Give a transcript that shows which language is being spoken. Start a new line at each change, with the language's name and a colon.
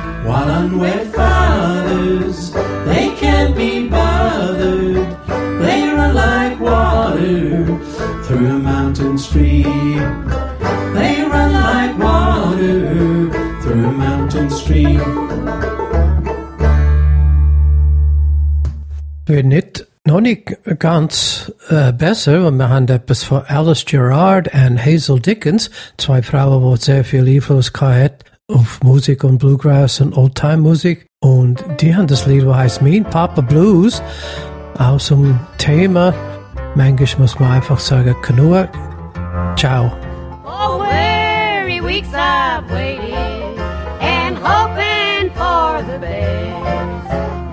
English: While unwed fathers, they can't be bothered. They run like water through a mountain stream. They run like water through a mountain stream.
German: Wir nicht noch nicht ganz besser, und wir haben etwas von Alice Gerard und Hazel Dickens, zwei Frauen, die sehr viel Einfluss gehabt auf Musik und Bluegrass und Oldtime-Musik. Und die haben das Lied, das heißt Mean Papa Blues, aus dem Thema, manchmal muss man einfach sagen, Knur.
Italian: Ciao.
English: Oh, weary weeks I've waited and hoping for the best.